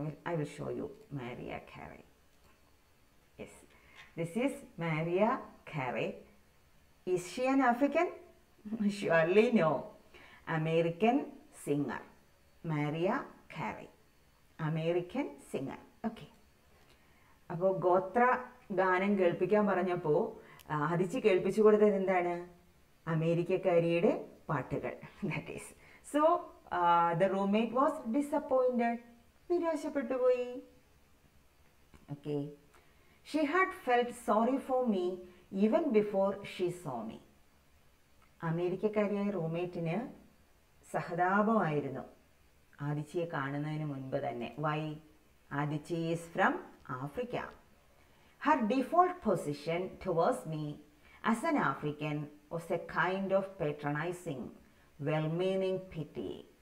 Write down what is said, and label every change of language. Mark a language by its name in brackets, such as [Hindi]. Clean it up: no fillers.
[English] I will show you Maria Carey. Yes, this is Maria Carey. Is she an African? Surely no. American singer, Maria Carey. American singer. Okay. [Malayalam] അപ്പോൾ ഗോത്ര ഗാനം കേൾപ്പിക്കാൻ പറഞ്ഞപ്പോൾ അതിച്ച് കേൾപ്പിച്ചു കൊടുത്തത് എന്താണ്? അമേരിക്കക്കാരിയുടെ പാട്ടുകൾ. [English] That is. So, the roommate was disappointed. [Malayalam] നിരാശപ്പെട്ടു പോയി. [English] Okay, she had felt sorry for me even before she saw me. [Malayalam] അമേരിക്കക്കാരിയായ റൂംമേറ്റിന് സഹതാപമായിരുന്നു ആദിച്ചിയെ കാണുന്നതിന് മുൻപ് തന്നെ. [English] Why? Adichie is from Africa. Her default position towards me as an African was a kind of patronising well meaning pity.